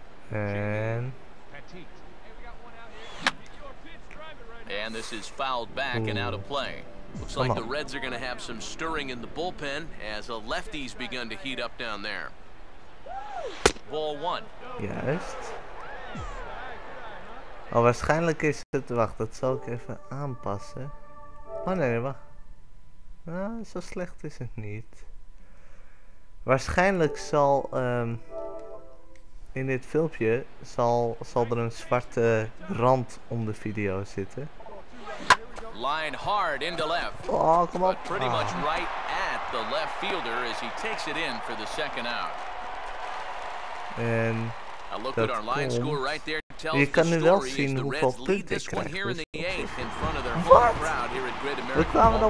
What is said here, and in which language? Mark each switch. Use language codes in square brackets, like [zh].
[en] And And this is fouled back and out of play. Looks like the Reds are going to have some stirring in the bullpen as a lefty's begun to heat up down there. Ball one. [nl] Juist. Oh, waarschijnlijk is het... Wacht, dat zal ik even aanpassen. Oh nee, wacht. Ah, zo slecht is het niet. Waarschijnlijk zal... in dit filmpje zal er een zwarte rand om de video zitten. [en] Line hard into left. Oh, come on. But pretty much right at the left fielder as he takes it in for the second out. And a look at our line score right there tells you the story as the Reds lead this one here in the eighth in front of their home crowd here at Great American